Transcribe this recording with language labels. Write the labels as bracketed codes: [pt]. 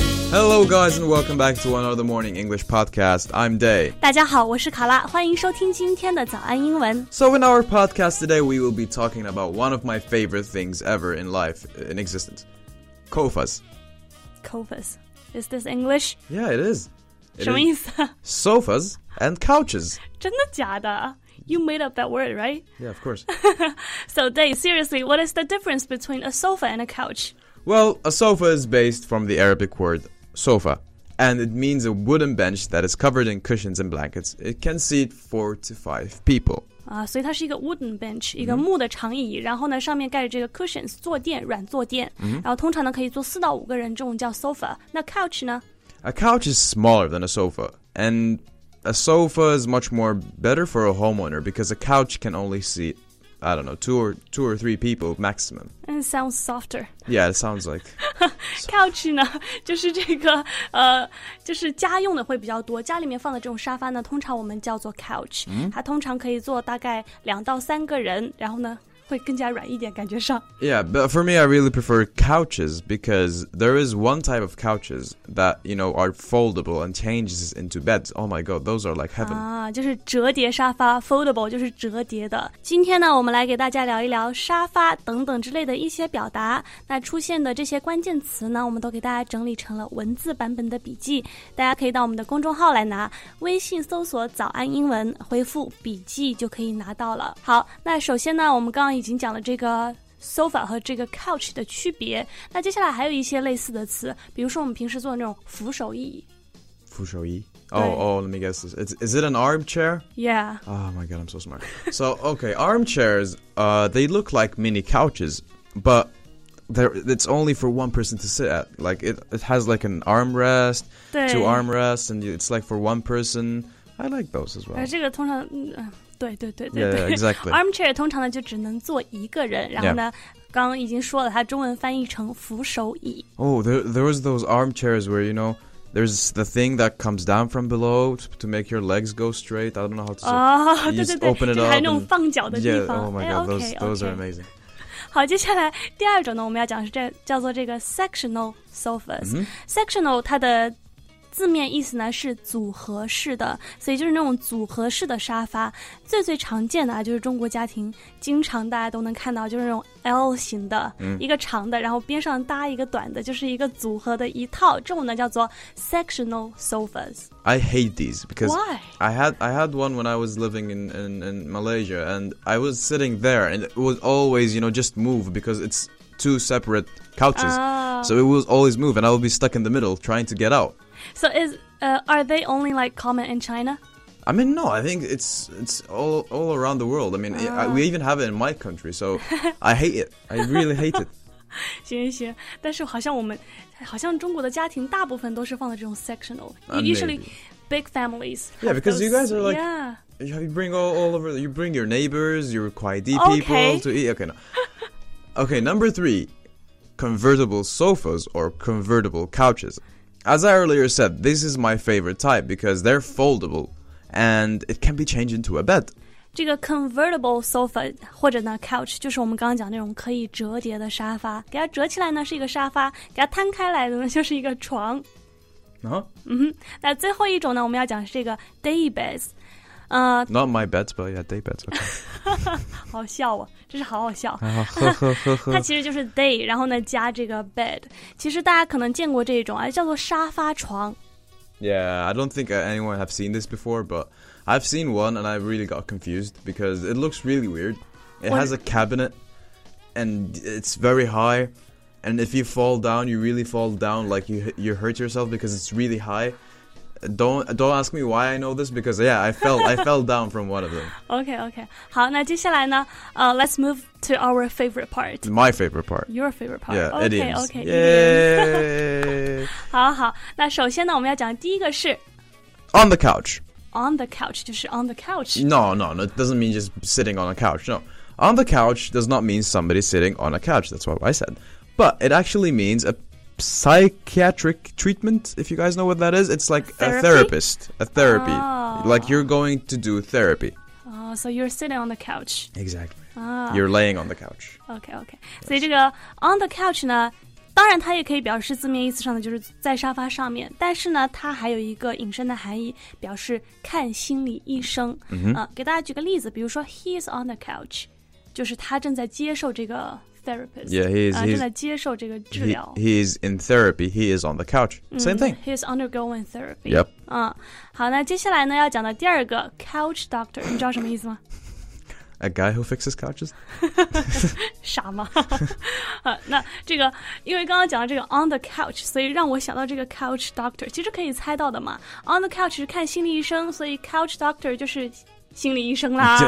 [en] Hello guys and welcome back to another morning English podcast. I'm Day. [zh] 大家好，我是卡拉，欢迎收听今天的早安英文。 [en] So in our podcast today, we will be talking about one of my favorite things ever in life, in existence. Kofas. Kofas. Is this English? Yeah, it is. [zh] 什么意思? [en] Sofas and couches. [zh] 真的假的? [en] You made up that word, right? Yeah, of course. So, Dave, seriously, what is the difference between a sofa and a couch? Well, a sofa is based from the Arabic word sofa, and it means a wooden bench that is covered in cushions and blankets. It can seat 4 to 5 people. So it's a wooden bench, a wood [zh] 长椅然后呢上面盖着这个 [en] cushions, [zh] 坐垫软坐垫、 [en] mm-hmm. [zh] 然后通常呢可以坐四到五个人这种叫 sofa. 那 couch 呢? [en] A couch is smaller than a sofa, and... A sofa is much more better for a homeowner because a couch can only seat, I don't know, two or three people maximum. And it sounds softer. Yeah, it sounds like. [zh] couch 呢就是这个就是家用的会比较多。家里面放的这种沙发呢通常我们叫做 couch.、 Mm-hmm. 它通常可以坐大概2到3个人然后呢会更加软一点感觉上。 [en] Yeah, but for me, I really prefer couches because there is one type of couches that, you know, are foldable and changes into beds. Oh my god, those are like heaven. [zh] 就是折叠沙发 ,foldable 就是折叠的。今天呢我们来给大家聊一聊沙发等等之类的一些表达。那出现的这些关键词呢我们都给大家整理成了文字版本的笔记。大家可以到我们的公众号来拿微信搜索早安英文回复笔记就可以拿到了。好那首先呢我们刚刚已经讲了这个 sofa 和这个 couch 的区别那接下来还有一些类似的词比如说我们平时做的那种扶手椅 [en] 扶手椅 oh, let me guess this. Is it an armchair? Yeah Oh my god, I'm so smart So, okay, armchairs, they look like mini couches But it's only for one person to sit at Like it has like an armrest, two armrests And it's like for one person I like those as well [zh] 这个通常、对 [en] exactly. [zh] Armchair 通常呢就只能坐一个人，然后呢， [en] yeah. [zh] 刚刚已经说了，它中文翻译成扶手椅。 [en] Oh, there was those armchairs where you know, there's the thing that comes down from below to make your legs go straight. I don't know how to. Open it up. [zh] 就还那种放脚的地方。 [en] Yeah, oh my god, those are amazing. [zh] 好，接下来第二种呢，我们要讲的是叫做这个 sectional sofas.、 Mm-hmm. Sectional 它的字面意思呢是组合式的所以就是那种组合式的沙发最最常见的、啊、就是中国家庭经常大家都能看到就是那种 L 型的、嗯、一个长的然后边上搭一个短的就是一个组合的一套这种呢叫做 sectional sofas [en] I hate these because、 Why? I had one when I was living in Malaysia and I was sitting there and it was always you know just move because it's two separate couches、so it was always move and I would be stuck in the middle trying to get out So are they only like common in China? I mean, no, I think it's all around the world. I mean,、we even have it in my country, so I hate it. I really hate it. [zh] 行行行，但是好像我们，好像中国的家庭大部分都是放的这种 sectional. [en] Usually、 maybe. Big families. Yeah, because those, you guys are like,、 yeah. you bring all over, you bring your neighbors, your quiet people、 okay. to eat. Okay, no. Okay, number three, convertible sofas or convertible couches. As I earlier said, this is my favorite type because they're foldable and it can be changed into a bed. [zh] 这个 convertible sofa 或者呢 couch 就是我们刚刚讲那种可以折叠的沙发。给它折起来呢是一个沙发，给它摊开来的呢就是一个床。啊？那最后一种呢，我们要讲是这个 day beds。 [en] Not my beds, but yeah, day beds.、Okay. [zh] 好笑啊，这是好好笑。呵呵呵呵。它其实就是 day, 然后呢加这个 bed. 其实大家可能见过这种啊，叫做沙发床。 [en] Yeah, I don't think anyone have seen this before, but I've seen one and I really got confused because it looks really weird. It has a cabinet and it's very high. And if you fall down, you really fall down like you hurt yourself because it's really high. Don't ask me why I know this because yeah, I fell down from one of them. [zh] Okay. 好，那接下来呢？ [en] Let's move to our favorite part. My favorite part. Your favorite part. Yeah, okay, idioms. Okay. Yeah. [zh] 好，那首先呢，我们要讲第一个是 [en] on the couch. On the couch 就是 on the couch. No, it doesn't mean just sitting on a couch. No, on the couch does not mean somebody sitting on a couch. That's what I said, but it actually means a psychiatric treatment, if you guys know what that is. It's like a therapy. Oh. Like you're going to do therapy. Oh, so you're sitting on the couch. Exactly.、 Oh. You're laying on the couch. [zh] Okay. 所以这个 on the couch 呢当然它也可以表示字面意思上的就是在沙发上面，但是呢它还有一个引申的含义，表示看心理医生、嗯哼给大家举个例子，比如说 [en] he's on the couch， [zh] 就是他正在接受这个 therapist， [en] yeah, he's, [zh] 正在接受这个治疗。 [en] He's in therapy, he is on the couch, same thing、嗯、he's undergoing therapy、 yep. [zh] 好，那接下来呢要讲的第二个 couch doctor， 你知道什么意思吗？ [en] A guy who fixes couches? [zh] 傻吗？那这个因为刚刚讲到这个 on the couch， 所以让我想到这个 couch doctor， 其实可以猜到的嘛。 On the couch 是看心理医生，所以 couch doctor 就是心理医生啦。